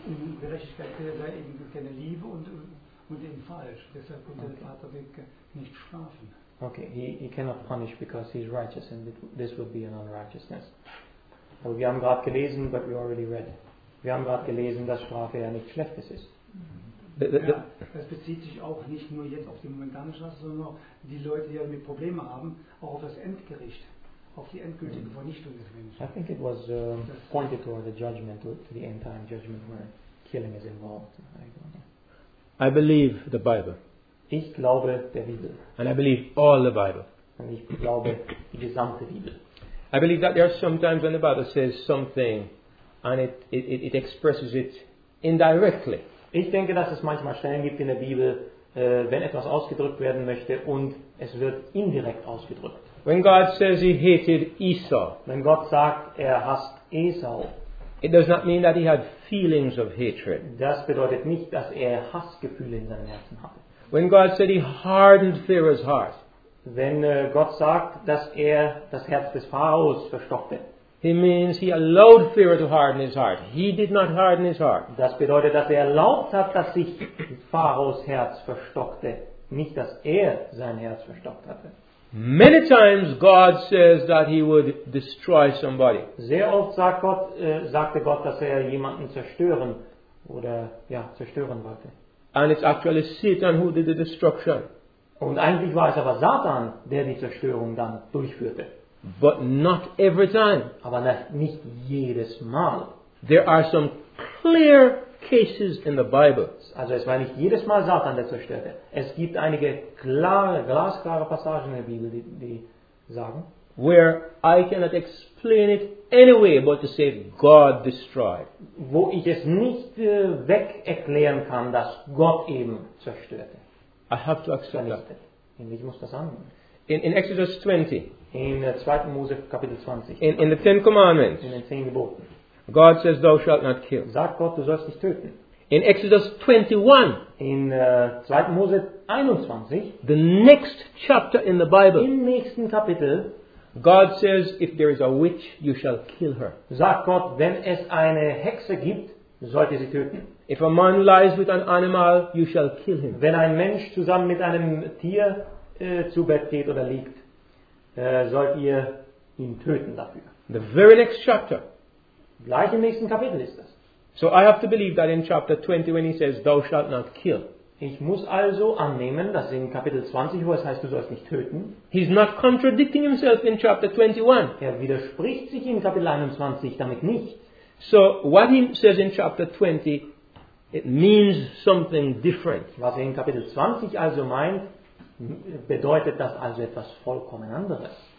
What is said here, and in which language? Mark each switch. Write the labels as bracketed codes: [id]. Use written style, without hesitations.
[de] Ungerechtigkeit sei eben keine Liebe und eben falsch. Deshalb konnte der Vater nicht strafen. [en] Okay, he cannot punish because he is righteous and this would be an unrighteousness. [de] Also wir haben gerade gelesen, [en] but we already read. [de] Wir haben gerade gelesen, dass Strafe ja nichts Schlechtes ist. Das bezieht sich auch nicht nur jetzt auf die momentane Strafe, sondern auch die Leute, die damit Probleme haben, auch auf das Endgericht, auf die endgültige Vernichtung des Menschen. [en] I think it was pointed toward the judgment, to the end time judgment, where killing is involved. I believe the Bible. [de] Ich glaube der Bibel. [en] And I believe all the Bible. [de] Und ich glaube die gesamte Bibel. [en] I believe that there are sometimes when the Bible says something and it expresses it indirectly. [de] Ich denke, dass es manchmal Stellen gibt in der Bibel, wenn etwas ausgedrückt werden möchte und es wird indirekt ausgedrückt. [en] When God says he hated Esau, [de] wenn Gott sagt, er hasst Esau, [en] it does not mean that he had feelings of hatred. [de] Das bedeutet nicht, dass er Hassgefühle in seinem Herzen hatte. [en] When God said he hardened Pharaoh's heart, [de] wenn Gott sagt, dass er das Herz des Pharaos verstockte, [en] he means he allowed Pharaoh to harden his heart. He did not harden his heart. [de] Das bedeutet, dass er erlaubt hat, dass sich Pharaos Herz verstockte, nicht dass er sein Herz verstockt hatte. [en] Many times God says that he would destroy somebody. [de] Sehr oft sagte Gott, dass er jemanden zerstören oder ja, zerstören wollte. [en] And it's actually Satan who did the destruction. [de] Und eigentlich war es aber Satan, der die Zerstörung dann durchführte. [en] But not every time. [de] Aber nicht jedes Mal. [en] There are some clear cases in the Bible. [de] Also es war nicht jedes Mal Satan, der zerstörte. Es gibt einige klare, glasklare Passagen in der Bibel, die sagen, [en] where I cannot explain it anyway but to say God destroyed. [de] Wo ich es nicht weg erklären kann, dass Gott eben zerstörte. [en] I have to accept that. [de] Ich muss das annehmen. [en] In Exodus 20. [de] In 2. Mose Kapitel 20. [en] In the Ten Commandments. [de] In den Zehn Geboten. [en] God says thou shalt not kill. [de] Sagt Gott, du sollst nicht töten. [en] In Exodus 21. [de] In 2. Mose 21. [en] The next chapter in the Bible. [de] Im nächsten Kapitel. [en] God says if there is a witch you shall kill her. [de] Sagt Gott, wenn es eine Hexe gibt, sollte sie töten. [en] If a man lies with an animal you shall kill him. [de] Wenn ein Mensch zusammen mit einem Tier zu Bett geht oder liegt, sollt ihr ihn töten dafür. [en] The very next chapter. [de] Gleich im nächsten Kapitel ist das. [en] So I have to believe that in chapter 20 when he says thou shalt not kill. [de] Ich muss also annehmen, dass in Kapitel 20, wo es heißt, du sollst nicht töten, [en] he's not contradicting himself in chapter 21. [de] Er widerspricht sich in Kapitel 21 damit nicht. [en] So what he says in chapter 20, it means something different. [de] Was er in Kapitel 20 also meint, bedeutet das also etwas vollkommen anderes.